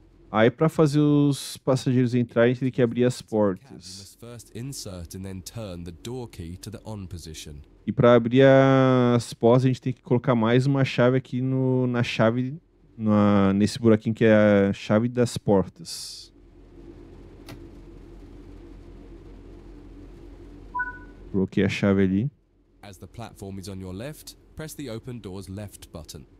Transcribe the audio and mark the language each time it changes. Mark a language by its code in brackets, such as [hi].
[pt] Aí para fazer os passageiros entrarem, a gente tem que abrir as portas. [en] First insert and then turn the door key to the on position. [pt] E para abrir as portas, a gente tem que colocar mais uma chave aqui no, na chave, na, nesse buraquinho que é a chave das portas. Coloquei a chave ali. [en] As the platform is on your left, press the open door's left button.